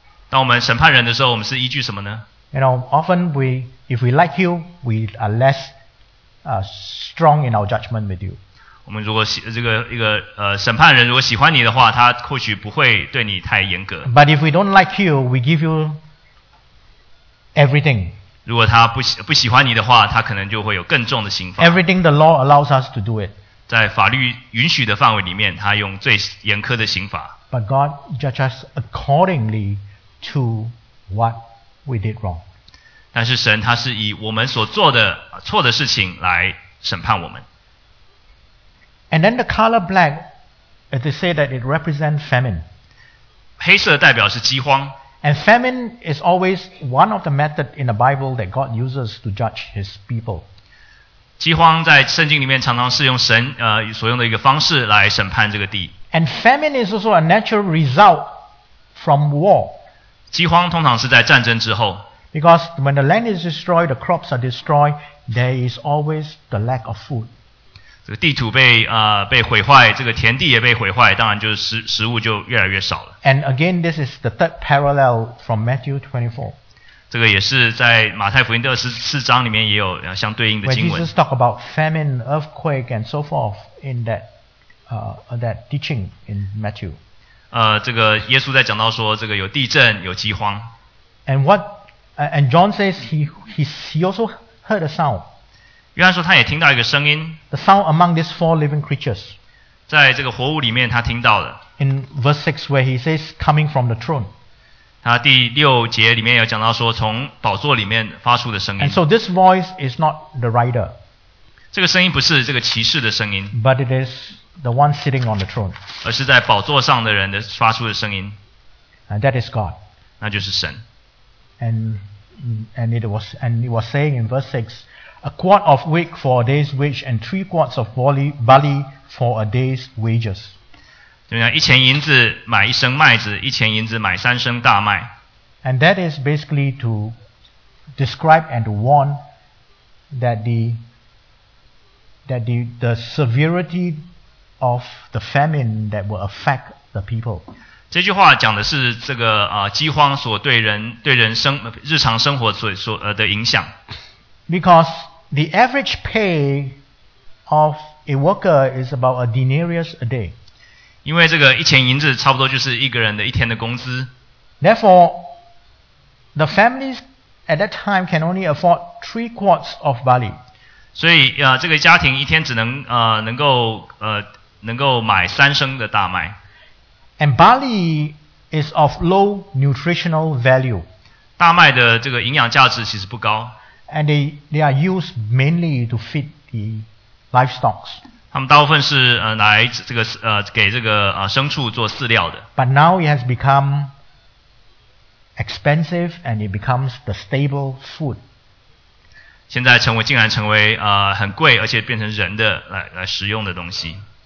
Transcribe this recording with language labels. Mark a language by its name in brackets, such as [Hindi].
[Chinese] 当我们审判人的时候，我们是依据什么呢？ [English] You know, often we, if we like you, we are less, strong in our judgment with you. [Chinese] 我们如果这个一个审判人如果喜欢你的话，他或许不会对你太严格。 [English] But if we don't like you, we give you everything. [Chinese] 如果他不喜欢你的话，他可能就会有更重的刑罚。 [English] Everything the law allows us to do it. [Chinese] 在法律允许的范围里面，他用最严苛的刑罚。 [English] But God judges us accordingly to what we did wrong. [Chinese] 但是神他是以我们所做的错的事情来审判我们。 [English] And then the color black, they say that it represents famine. [Chinese] 黑色代表是饥荒。 [English] And famine is always one of the methods in the Bible that God uses to judge His people. [Chinese] 饥荒在圣经里面常常是用神所用的一个方式来审判这个地。 [English] And famine is also a natural result from war. [Chinese] 饥荒通常是在战争之后。 [English] Because when the land is destroyed, the crops are destroyed, there is always the lack of food. [Chinese] 这个地土被毁坏，这个田地也被毁坏，当然就是食物就越来越少了。 [English] And again, this is the third parallel from Matthew 24. [Chinese] 这个也是在马太福音第24章里面也有相对应的经文。 [English] When Jesus talked about famine, earthquake, and so forth in that teaching in Matthew. [Chinese] 这个耶稣在讲到说这个有地震有饥荒。 [English] And John says he also heard a sound. [Chinese] 约翰说他也听到一个声音。 [English] The sound among these four living creatures. [Chinese] 在这个活物里面他听到了。 [English] In verse 6 where he says coming from the throne. [Chinese] 他第六节里面有讲到说从宝座里面发出的声音。 [English] And so this voice is not the rider. [Chinese] 这个声音不是这个骑士的声音。 [English] But it is the one sitting on the throne. [Chinese] 而是在宝座上的人的发出的声音。 [English] And that is God. [Chinese] 那就是神。 [English] And it was saying in verse 6, a quart of wheat for a day's wage and three quarts of barley for a day's wages. [Chinese] 就像一钱银子买一升麦子，一钱银子买三升大麦。 [English] And that is basically to describe and to warn that the severity of the famine that will affect the people. [Chinese] 这句话讲的是这个饥荒所对人生日常生活所的影响。 [English] Because the average pay of a worker is about a denarius a day. [Chinese] 因为这个一钱银子差不多就是一个人的一天的工资。 [English] Therefore, the families at that time can only afford three quarts of barley. [Chinese] 所以这个家庭一天只能能够买三升的大麦。 [English] And barley is of low nutritional value. [Chinese] 大麦的这个营养价值其实不高。 [English] And they are used mainly to feed the livestock. [Chinese] 他们大部分是来这个给这个牲畜做饲料的。 [English] But now it has become expensive and it becomes the staple food. [Chinese] 现在竟然成为很贵而且变成人的来食用的东西。